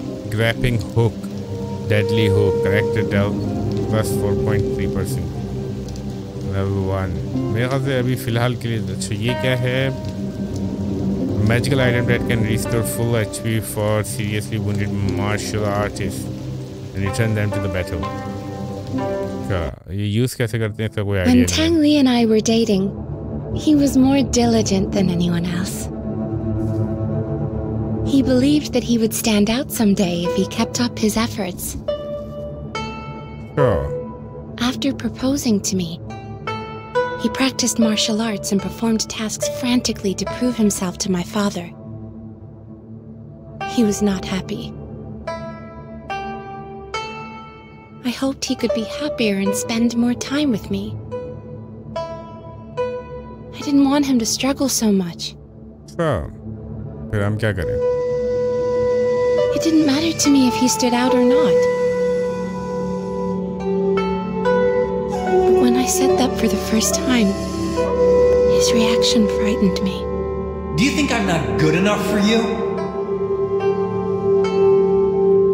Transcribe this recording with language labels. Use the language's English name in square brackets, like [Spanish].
[English] Grappling hook, deadly hook, correct depth plus 4.3%, level 1। [Hindi] मेरे ख्याल से अभी फ़िलहाल के लिए। अच्छा ये क्या है, [English] Magical item that can restore full HP for seriously wounded martial artist and return them to the battle. [Hindi] ये यूज कैसे करते हैं इसका कोई आइडिया नहीं। [English] When Tang Li and I were dating, he was more diligent than anyone else. He believed that he would stand out someday if he kept up his efforts. After proposing to me, he practiced martial arts and performed tasks frantically to prove himself to my father. He was not happy. I hoped he could be happier and spend more time with me. I didn't want him to struggle so much. [Hindi] So, फिर हम क्या करें? [English] It didn't matter to me if he stood out or not. I said that for the first time. His reaction frightened me. Do you think I'm not good enough for you?